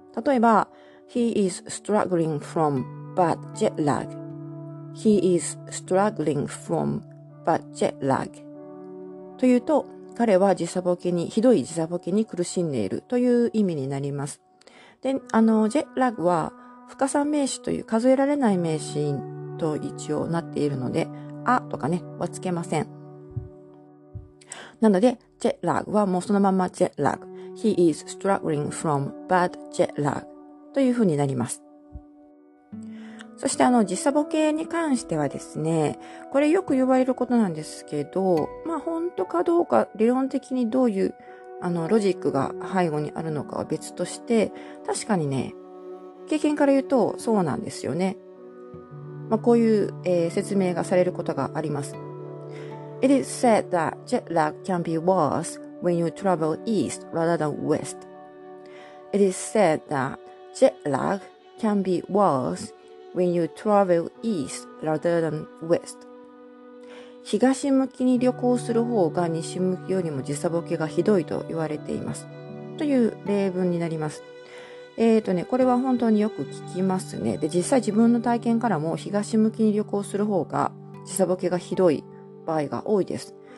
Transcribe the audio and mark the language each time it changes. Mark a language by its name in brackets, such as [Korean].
[Japanese] 例えば、 [English] he is struggling from but jet lag. He is struggling from but jet lag. [Japanese] というと、彼は時差ボケに、ひどい時差ボケに苦しんでいるという意味になります。で、ジェットラグは不可算名詞という数えられない名詞と一応なっているので、あとかね、はつけません。なので、ジェットラグはもうそのままジェットラグ。 [English] He is struggling from bad jet lag [Japanese] というふうになります。そして時差ボケに関してはですね、これよく言われることなんですけど、まあ本当かどうか、理論的にどういうロジックが背後にあるのかは別として、確かにね、経験から言うとそうなんですよね。まあこういう、説明がされることがあります。 [English] It is said that jet lag can be worse when you travel east rather than west. It is said that jet lag can be worse when you travel east rather than west. [Japanese] 東向きに旅行する方が西向きよりも時差ボケがひどいと言われています。という例文になります。これは本当によく聞きますね。で、実際自分の体験からも東向きに旅行する方が時差ボケがひどい場合が多いです。